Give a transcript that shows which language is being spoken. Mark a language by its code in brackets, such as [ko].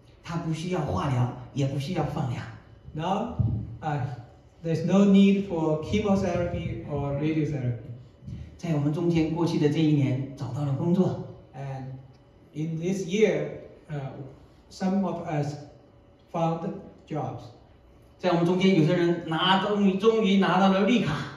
[zh] 他不需要化疗，也不需要放疗。 [en] Now, there's no need for chemotherapy or radiotherapy. [zh] 在我们中间过去的这一年找到了工作。 [en] And in this year, some of us found jobs. [zh] 在我们中间有些人终于拿到了绿卡。